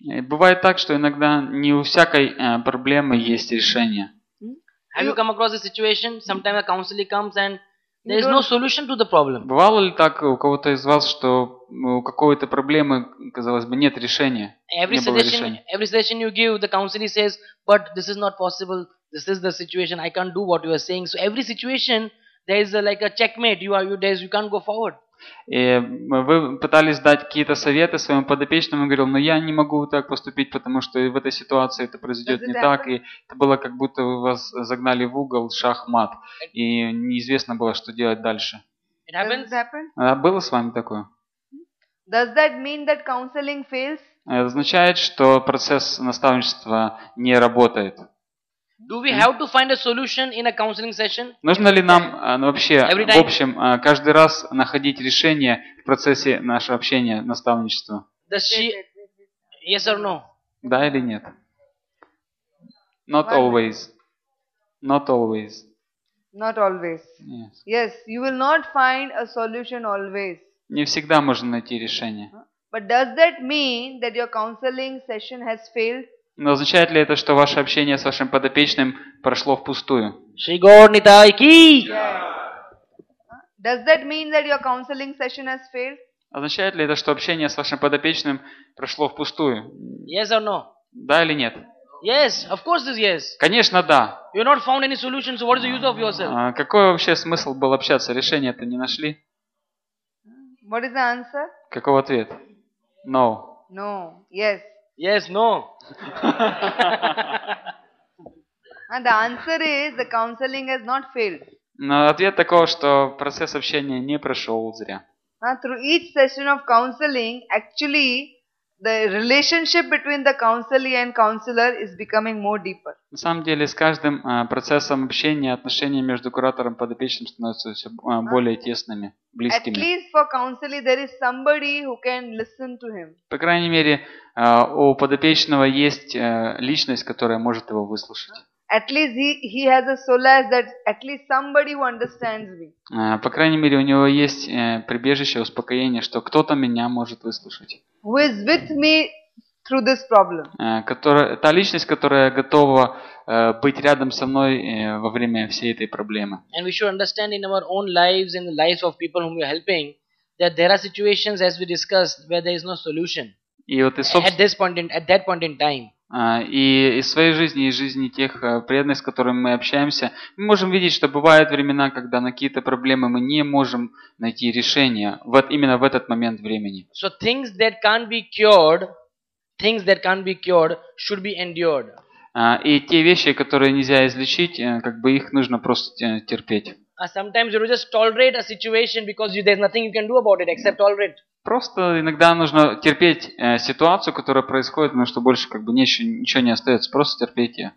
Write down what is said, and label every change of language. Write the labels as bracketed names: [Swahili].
[Russian] Бывает так, что иногда не у всякой проблемы есть решение. [English] Have you come across a situation? Sometimes a counselor comes and there is no solution to the problem. [Russian] Бывало ли так у кого-то из вас, что у какой-то проблемы, казалось бы, нет решения? [English] Every suggestion you give, the counselor says, but this is not possible. This is the situation. I can't do what you are saying. So every situation there is like a checkmate. You can't go forward. [Russian] И вы пытались дать какие-то советы своему подопечному, он говорил, но я не могу так поступить, потому что в этой ситуации это произойдет не так, и это было как будто вы вас загнали в угол, шахмат, и неизвестно было, что делать дальше. [English] It happened? [Russian] А было с вами такое? [English] Does that mean that counseling fails? [Russian] Это означает, что процесс наставничества не работает. [English] Do we have to find a solution in a counseling session? [Russian] Нужно ли нам вообще в общем каждый раз находить решение в процессе нашего общения, наставничества? [English] Does she? Yes or no? [Russian] Да или нет? [English] Not always. Not always. Not always. Yes. Yes, you will not find a solution always. [Russian] Не всегда можно найти решение. [English] But does that mean that your counseling session has failed? [Russian] Но означает ли это, что ваше общение с вашим подопечным прошло впустую? Shri Gornitai ki! [English] Does that mean that your counseling session has failed? [Russian] Означает ли это, что общение с вашим подопечным прошло впустую? [English] Yes or no? [Russian] Да или нет? [English] Yes, of course it is yes. [Russian] Конечно, да. [English] You not found any solution, so what is the use of yourself? [Russian] Какой вообще смысл был общаться? Решение-то не нашли? [English] What is the answer? [Russian] Каков ответ? [English] No. No, yes. Yes, no. And the answer is the counseling has not failed. [Russian] Но ответ такой, что процесс общения не прошел зря. [English] Through each session of counseling, actually, the relationship between the counselee and counselor is becoming more deeper. [Russian] На самом деле, с каждым процессом общения отношения между куратором и подопечным становятся все более тесными, близкими. [English] At least for counselee, there is somebody who can listen to him. [Russian] По крайней мере, у подопечного есть личность, которая может его выслушать. [English] At least he has a solace that at least somebody who understands me. [Russian] По крайней мере, у него есть прибежище, успокоение, что кто-то меня может выслушать. [English] Who is with me through this problem? [Russian] Та личность, которая готова быть рядом со мной во время всей этой проблемы. [English] And we should understand in our own lives, in the lives of people whom we are helping, that there are situations, as we discussed, where there is no solution. At that point in time. [Russian] И из своей жизни, из жизни тех преданных, с которыми мы общаемся, мы можем видеть, что бывают времена, когда на какие-то проблемы мы не можем найти решение, вот именно в этот момент времени. [English] So things that can't be cured should be endured. [Russian] И те вещи, которые нельзя излечить, как бы их нужно просто терпеть. [English] Sometimes you just tolerate a situation because there's nothing you can do about it except tolerate. [Russian] Просто иногда нужно терпеть ситуацию, которая происходит, потому что больше как бы ничего не остается, просто терпеть ее.